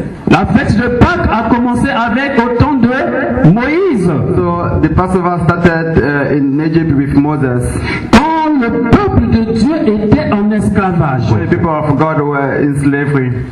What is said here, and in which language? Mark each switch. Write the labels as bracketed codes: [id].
[fr] La fête de Pâques a commencé avec au temps de Moïse. [en] So the Passover started in Egypt with Moses. [fr] Quand le peuple de Dieu était en esclavage. [en] When the people of God were in slavery.